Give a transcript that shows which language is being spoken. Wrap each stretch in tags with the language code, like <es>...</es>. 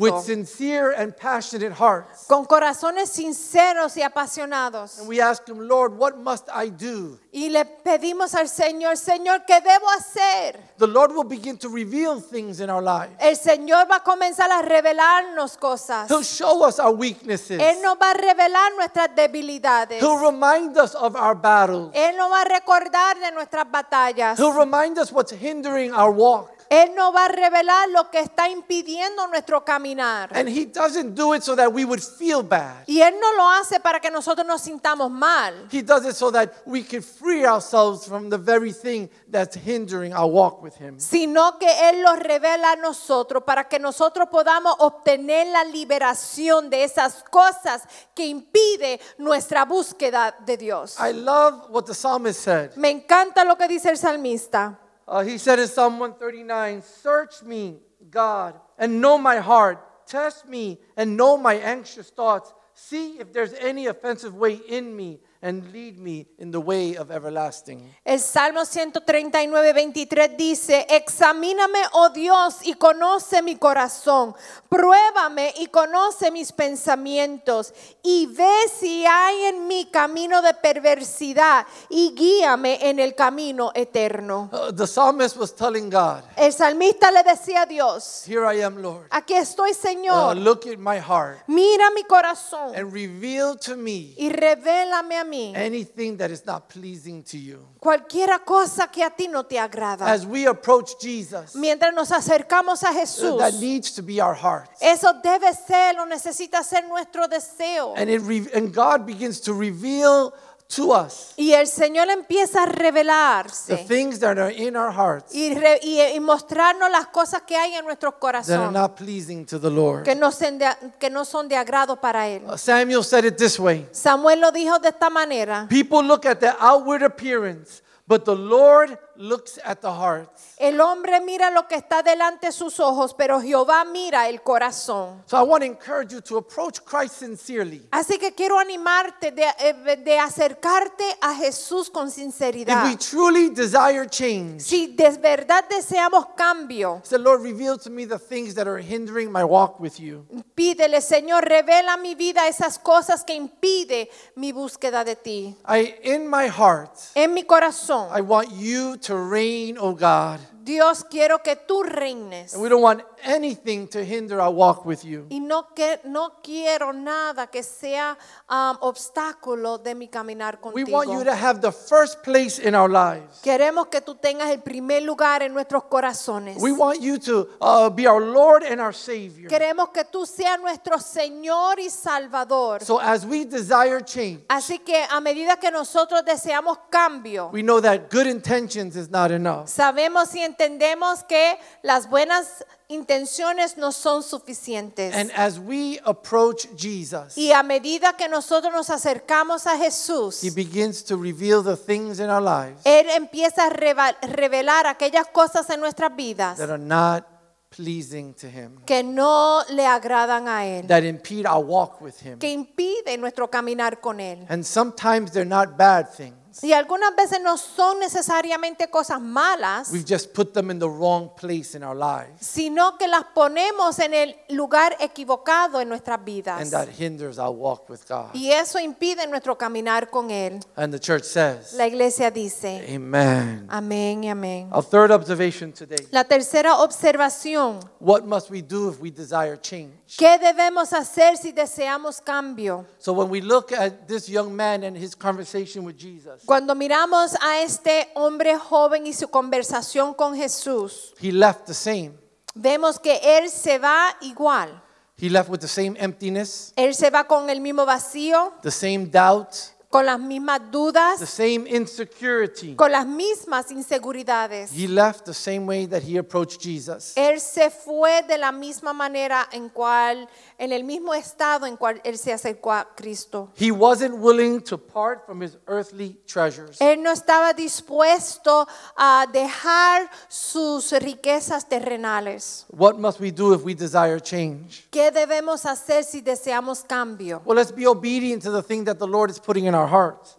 <en>With sincere and passionate hearts.</en> <es>Con corazones sinceros y apasionados.</es> <en>And we ask him, Lord, what must I do?</en> <es>Y le pedimos al Señor, Señor, ¿qué debo hacer?</es> <en>The Lord will begin to reveal things in our lives.</en> <es>El Señor va a comenzar a revelarnos cosas.</es> <en>He'll show us our weaknesses.</en> <es>Él nos va a revelar nuestras debilidades.</es> <en>He'll remind us of our battles.</en> <es>Él nos va a recordar de nuestras batallas.</es> <en>He'll remind us what's hindering our walk.</en> <es>Él nos va a revelar lo que está impidiendo nuestro caminar.</es> <en>And he doesn't do it so that we would feel bad.</en> <es>Y él no lo hace para que nosotros nos sintamos mal.</es> <en>He does it so that we can free ourselves from the very thing that's hindering our walk with him.</en> <es>Sino que él lo revela a nosotros para que nosotros podamos obtener la liberación de esas cosas que impide nuestra búsqueda de Dios.</es> <en>I love what the psalmist said.</en> <es>Me encanta lo que dice el salmista.</es> <en>He said in Psalm 139, search me, God, and know my heart. Test me and know my anxious thoughts. See if there's any offensive way in me and lead me in the way of everlasting.</en> <es>El Salmo 139:23 dice, examíname, oh Dios, y conoce mi corazón. Pruébame y conoce mis pensamientos. Y ve si hay en mí camino de perversidad y guíame en el camino eterno.</es> <en>The psalmist was telling God.</en> <es>El salmista le decía a Dios.</es> <en>Here I am, Lord.</en> <es>Aquí estoy, Señor.</es> <en>Look at my heart.</en> <es>Mira mi corazón.</es> <en>And reveal to me.</en> <es>Y revélame a mí.</es> <en>Anything that is not pleasing to you.</en> <es>Cualquiera cosa que a ti no te agrada.</es> <en>As we approach Jesus.</en> <es>Mientras nos acercamos a Jesús.</es> <en>That needs to be our heart.</en> <es>Eso debe ser o necesita ser nuestro deseo.</es> <en>And God begins to reveal to us.</en> <es>Y el Señor empieza a revelarse.</es> <en>The things that are in our hearts.</en> <es>Y mostrarnos las cosas que hay en nuestros corazones.</es> <en>That are not pleasing to the Lord.</en> <es>Que no son de agrado para él.</es> <en>Samuel said it this way.</en> <es>Samuel lo dijo de esta manera.</es> <en>People look at the outward appearance, but the Lord looks at the heart.</en> <es>El hombre mira lo que está delante de sus ojos, pero Jehová mira el corazón.</es> <en>So I want to encourage you to approach Christ sincerely.</en> <es>Así que quiero animarte de acercarte a Jesús con sinceridad.</es> <en>If we truly desire change.</en> <es>Si de verdad deseamos cambio.</es> <en>Say, Lord, reveal to me the things that are hindering my walk with you.</en> <es>Pídele, Señor, revela mi vida esas cosas que impide mi búsqueda de ti.</es> <en>In my heart.</en> <es>En mi corazón.</es> <en>I want you to reign, oh God.</en> <es>Dios, quiero que tú reines.</es> <en>And we don't want anything to hinder our walk with you.</en> <es>Y no quiero nada que sea obstáculo de mi caminar contigo.</es> <en>We want you to have the first place in our lives.</en> <es>Queremos que tú tengas el primer lugar en nuestros corazones.</es> <en>We want you to be our Lord and our Savior.</en> <es>Queremos que tú seas nuestro Señor y Salvador.</es> <en>So as we desire change.</en> <es>Así que a medida que nosotros deseamos cambio.</es> <en>We know that good intentions is not enough.</en> <es>Sabemos y entendemos que las buenas intenciones no son suficientes.</es> <en>And as we approach Jesus,</en> <es>y a medida que nosotros nos acercamos a Jesús,</es> <en>he begins to reveal the things in our lives.</en> <es>Él empieza a revelar aquellas cosas en nuestras vidas</es> <en>that are not pleasing to him.</en> <es>Que no le agradan a él.</es> <en>That impede our walk with him.</en> <es>Que impide nuestro caminar con él.</es> <en>And sometimes they're not bad things.</en> <es>Y algunas veces no son necesariamente cosas malas.</es> <en>We've just put them in the wrong place in our lives.</en> <es>Sino que las ponemos en el lugar equivocado en nuestras vidas.</es> <en>And that hinders our walk with God.</en> <es>Y eso impide nuestro caminar con él.</es> <en>And the church says.</en> <es>La iglesia dice.</es> <en>Amen.</en> <es>Amén y amén.</es> <en>A third observation today.</en> <es>La tercera observación.</es> <en>What must we do if we desire change?</en> <es>¿Qué debemos hacer si deseamos cambio?</es> <en>So when we look at this young man and his conversation with Jesus.</en> <es>Cuando miramos a este hombre joven y su conversación con Jesús,</es> <en>he left the same.</en> <es>Vemos que él se va igual.</es> <en>He left with the same emptiness.</en> <es>Él se va con el mismo vacío.</es> <en>The same doubt.</en> <es>Con las mismas dudas.</es> <en>The same insecurity.</en> <es>Con las mismas inseguridades.</es> <en>He left the same way that he approached Jesus.</en> <es>Él se fue de la misma manera en cual, en el mismo estado en cual él se acercó a Cristo.</es> <en>He wasn't willing to part from his earthly treasures.</en> <es>Él no estaba dispuesto a dejar sus riquezas terrenales.</es> <en>What must we do if we desire change?</en> <es>¿Qué debemos hacer si deseamos cambio?</es> <en>Well, let's be obedient to the thing that the Lord is putting in our hearts.</en>